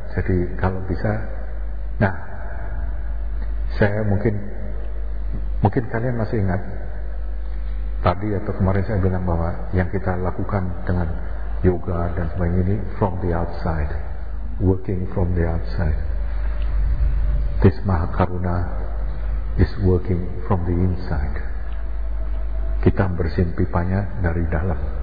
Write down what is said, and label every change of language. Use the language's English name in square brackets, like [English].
[Indonesian] Jadi kalau bisa, nah, saya mungkin kalian masih ingat tadi atau kemarin saya bilang bahwa yang kita lakukan dengan yoga dan sebagainya ini [English] from the outside, working from the outside. This Mahakaruna is working from the inside. [Indonesian] Kita bersihin pipanya dari dalam.